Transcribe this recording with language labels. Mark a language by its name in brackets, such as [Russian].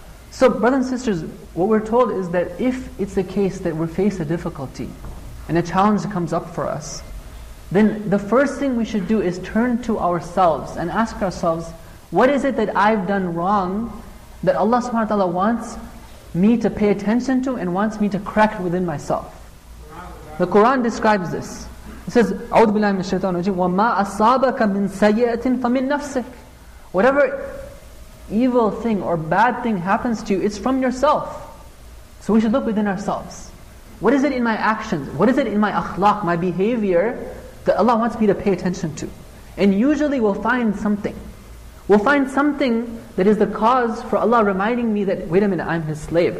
[English] So brothers and sisters, what we're told is that if it's the case that we face a difficulty and a challenge comes up for us, then the first thing we should do is turn to ourselves and ask ourselves, what is it that I've done wrong that Allah subhanahu wa ta'ala wants me to pay attention to and wants me to correct within myself? The Quran describes this. It says, [Arabic] أعوذ بالله من الشيطان الرجيم وَمَا أَصَابَكَ مِنْ سَيِّئَةٍ فَمِنْ نَفْسِكَ. [English] Whatever evil thing or bad thing happens to you, it's from yourself. So we should look within ourselves. What is it in my actions? What is it in my akhlaq, my behavior, that Allah wants me to pay attention to? And usually we'll find something. We'll find something that is the cause for Allah reminding me that, wait a minute, I'm His slave.